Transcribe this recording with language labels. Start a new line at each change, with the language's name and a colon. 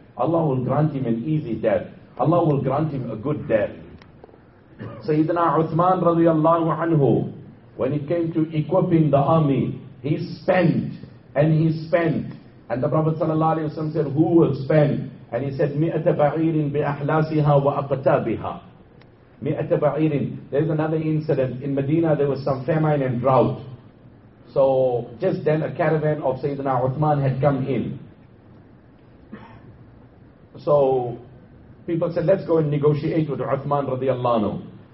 English: Allah will grant him an easy death. Allah will grant him a good death. Sayyidina Uthman radiallahu anhu, when it came to equipping the army, he spent and he spent. And the Prophet sallallahu alaihi wasallam said, who will spend? And he said,
Arabic: مِئَةَ بَعِيرٍ بِأَحْلَاسِهَا وَأَقْتَابِهَا. مِئَةَ بَعِيرٍ.
English: There's another incident. In Medina, there was some famine and drought. So just then a caravan of Sayyidina Uthman had come in. So people said, let's go and negotiate with Uthman radiallahu anhu.